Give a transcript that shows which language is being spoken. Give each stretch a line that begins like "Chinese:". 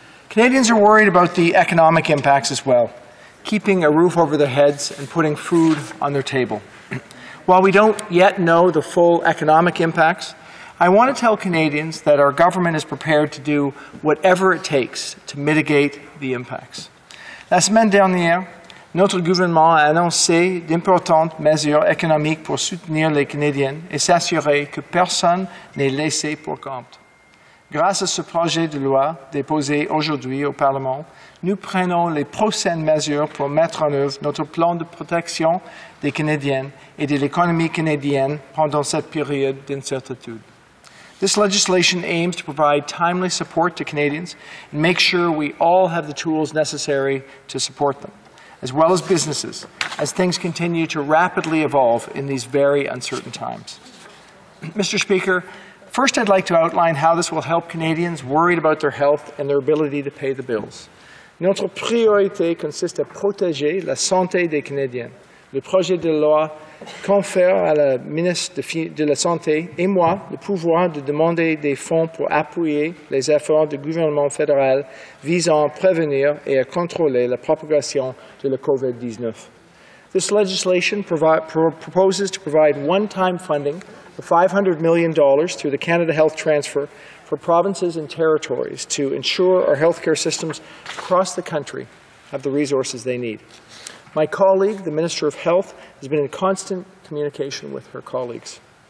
English: Canadians are worried about the economic impacts as well, keeping a roof over their heads and putting food on their table. While we don't yet know the full economic impacts, I want to tell Canadians that our government is prepared to do whatever it takes to mitigate the impacts.
French: La semaine dernière, notre gouvernement a annoncé d'importantes mesures économiques pour soutenir les Canadiens et s'assurer que personne n'est laissé pour compte. Grâce à ce projet de loi déposé aujourd'hui au Parlement, nous prenons les prochaines mesures pour mettre en œuvre notre plan de protection des Canadiens et de l'économie canadienne pendant cette période d'incertitude.
English: This legislation aims to provide timely support to Canadians and make sure we all have the tools necessary to support them, as well as businesses, as things continue to rapidly evolve in these very uncertain times. Mr. Speaker, first I'd like to outline how this will help Canadians worried about their health and their ability to pay the bills.
French: Notre priorité consiste à protéger la santé des Canadiens. Le projet de loi confère à la ministre de la Santé et moi le pouvoir de demander des fonds pour appuyer les efforts du gouvernement fédéral visant à prévenir et à contrôler la propagation de la COVID-19.
English: This legislation proposes to provide one-time funding of $500 million through the Canada Health Transfer for provinces and territories to ensure our healthcare systems across the country have the resources they need. My colleague, the Minister of Health, has been in constant communication with her colleagues.